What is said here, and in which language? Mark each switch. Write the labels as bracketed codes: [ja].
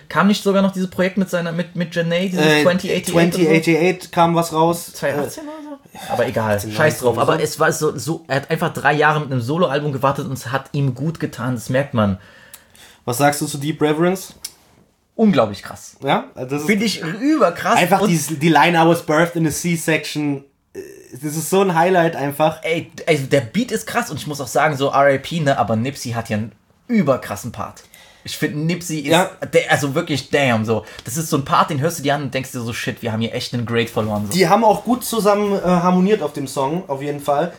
[de] Kam nicht sogar noch dieses Projekt mit Janae, dieses 2088? 2088 so? Kam was raus. 2018 oder so? Aber egal, scheiß drauf. Aber es war so, er hat einfach 3 Jahre mit einem Soloalbum gewartet und es hat ihm gut getan, das merkt man. Was sagst du zu Deep Reverence? Unglaublich krass. Ja, das finde ich überkrass. Einfach die Line [en] I was birthed in a C-Section. [de] Das ist so ein Highlight einfach. Ey, also der Beat ist krass und ich muss auch sagen, so RIP, ne, aber Nipsey hat hier einen überkrassen Part. Ich finde, Nipsey ist, also wirklich, damn, so. Das ist so ein Part, den hörst du dir an und denkst dir so, shit, wir haben hier echt einen Great verloren. So. Die haben auch gut zusammen harmoniert auf dem Song, auf jeden Fall.